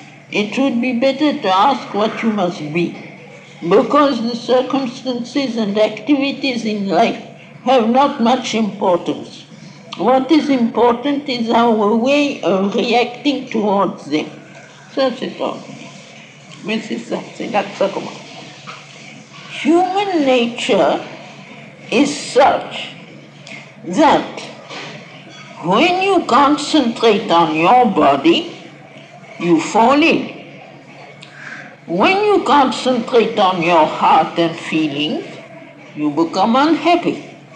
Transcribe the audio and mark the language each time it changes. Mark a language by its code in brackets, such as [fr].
[en] It would be better to ask what you must be. Because the circumstances and activities in life have not much importance. What is important is our way of reacting towards them. [fr] Ça, c'est ça. Mais c'est ça, c'est là que ça commence. [en] Human nature is such that when you concentrate on your body, you fall in. When you concentrate on your heart and feelings, you become unhappy.